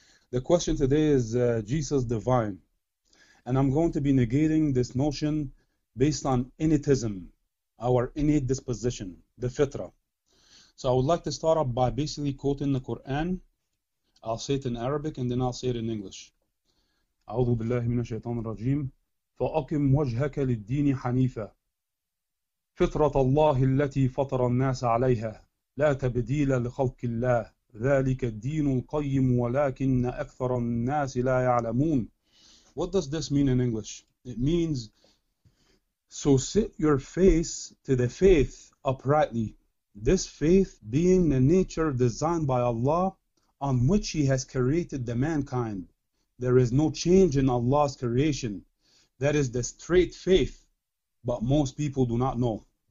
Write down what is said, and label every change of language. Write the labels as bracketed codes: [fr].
[en] The question today is Jesus divine. And I'm going to be negating this notion based on innatism, our innate disposition, the fitra. So I would like to start off by basically quoting the Quran. I'll say it in Arabic and then I'll say it in English. [ar] أعوذ بالله من الشيطان الرجيم فأقم وجهك للدين حنيفة فطرة الله التي فطر الناس عليها لا تبديل لخلق الله ذلك الدين القيم ولكن أكثر الناس لا يعلمون. [en] What does this mean in English? It means, so sit your face to the faith uprightly. This faith being the nature designed by Allah on which He has created the mankind. There is no change in Allah's creation. That is the straight faith, but most people do not know.